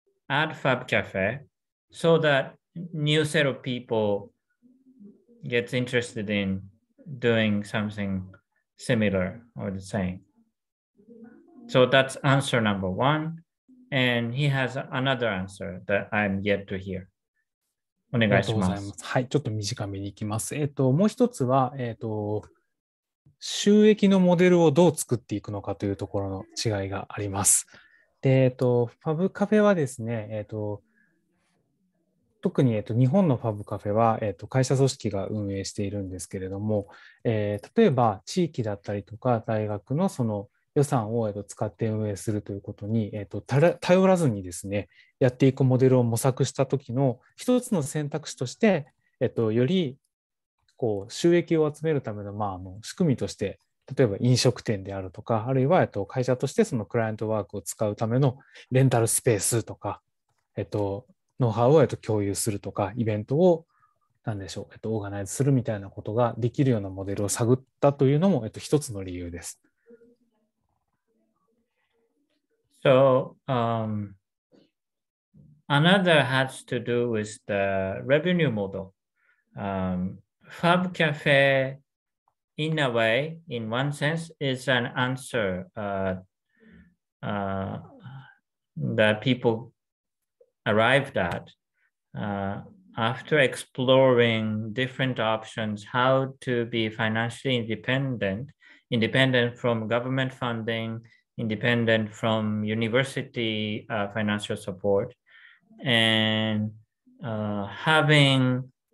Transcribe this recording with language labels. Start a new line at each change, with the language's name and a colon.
English: at FabCafe so that new set of people gets interested in doing something similar or the same. So that's answer number one. And he has another answer that I'm yet to hear.
Japanese: お願いします。ありがとうございます。はい、ちょっと短めにいきます。もう一つは、収益のモデルをどう作っていくのかというところの違いがあります。で、ファブカフェはですね、特に、日本のファブカフェは、会社組織が運営しているんですけれども、例えば地域だったりとか大学のその予算を使って運営するということに頼らずにですねやっていくモデルを模索した時の一つの選択肢としてよりこう収益を集めるための仕組みとして例えば飲食店であるとかあるいは会社としてそのクライアントワークを使うためのレンタルスペースとかノウハウを共有するとかイベントを何でしょうオーガナイズするみたいなことができるようなモデルを探ったというのも一つの理由です。
English: So another has to do with the revenue model. FabCafe, in a way, in one sense, is an answer that people arrived at after exploring different options, how to be financially independent from government funding, independent from university financial support, and having